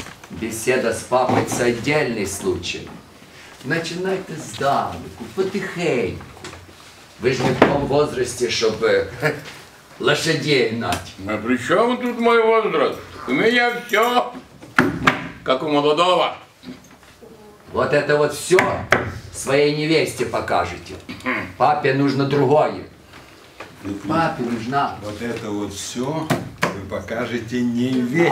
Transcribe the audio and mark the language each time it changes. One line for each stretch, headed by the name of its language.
Russian: Беседа с папой — це отдельный случай. Начинайте здалеку, потихеньку.
Ukrainian: Ви ж не в тому возрасті, щоб
Russian: лошадей гнать. А при чому тут мой возраст? У меня все, как у молодого. Вот это вот все своей невесте покажете. Папе нужно другое. Ну, папе нужна. Вот это вот все вы покажете невесте.